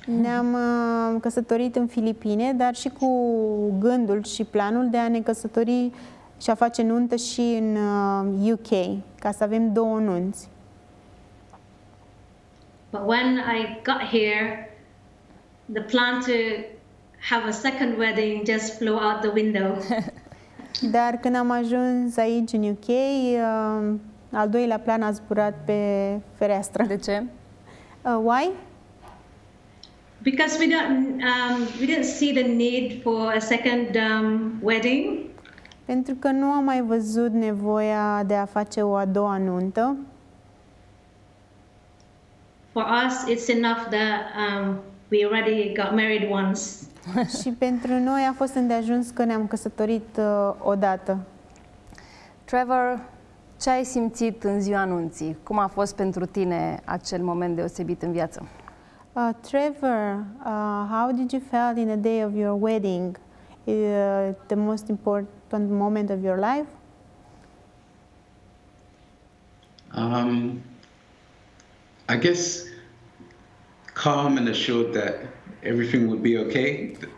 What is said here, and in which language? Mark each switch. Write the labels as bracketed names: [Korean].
[Romanian] Ne-am căsătorit în Filipine, dar și cu gândul și planul de a ne căsători și a face nuntă și în UK, ca să avem două nunți. [English] But when I got here, the plan to have a second wedding just flew out the window. [Romanian] Dar când am ajuns aici în UK, al doilea plan a zburat pe fereastră. De ce? [English] Why? Because we didn't see the need for a second wedding. [Romanian] Pentru că nu am mai văzut nevoia de a face o a doua nuntă. [English] For us it's enough that we already got married once. [Romanian] Și pentru noi a fost îndeajuns că ne-am căsătorit odată. Trevor, ce ai simțit în ziua nunții? Cum a fost pentru tine acel moment deosebit în viață? [English] Trevor, how did you feel in the day of your wedding? The most important moment of your life? I guess calm and assured that everything would be okay.